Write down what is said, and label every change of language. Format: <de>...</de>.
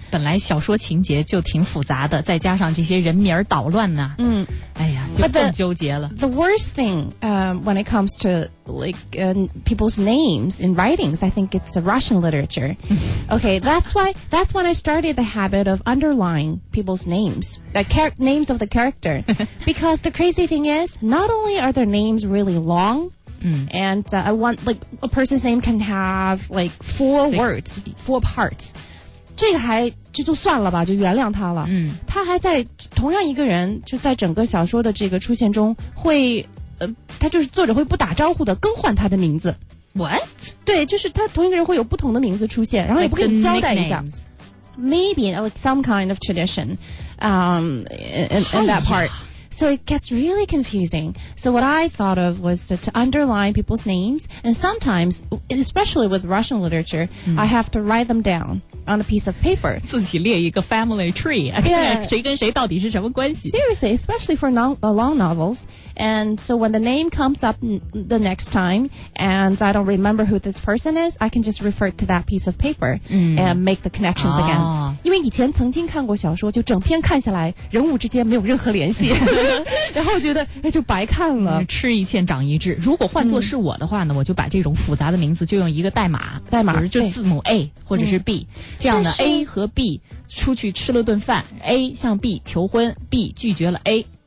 <zh>本来小说情节就挺复杂的，再加上这些人名捣乱呢。哎呀，就更纠结了。</zh> <en>The worst thing, when it comes to like people's names in writings, I think it's a Russian literature. Okay, that's when I started the habit of underlining people's names, the names of the character. Because the crazy thing is, not only are their names really long, and I want like a person's name can have like four words, four parts.</en> <zh>这个还这就算了吧，就原谅他了。他还在同样一个人就在整个小说的这个出现中会他就是作者会不打招呼的更换他的名字。</zh> <en>What?</en> <zh>对，就是他同一个人会有不同的名字出现，然后也不给你交代一下。</zh> <en>Maybe like some kind of tradition in that part. So it gets really confusing. So what I thought of was to underline people's names. And sometimes, especially with Russian literature, I have to write them downon a piece of paper.</en> <zh>自己列一个</zh> <en>family tree. Yeah.</en> <zh>谁跟谁到底是什么关系?</zh> <en>Seriously, especially for long novels. And so when the name comes up the next time and I don't remember who this person is, I can just refer to that piece of paper and make the connections again.</en> <zh>因为以前曾经看过小说，就整篇看下来，人物之间没有任何联系。然后觉得哎，就白看了。吃一堑长一智。如果换作是我的话呢，我就把这种复杂的名字就用一个代码，比如就字母 A 或者是 B。这样的 A 和 B 出去吃了顿饭 ，A 向 B 求婚 ，B 拒绝了 A。</zh>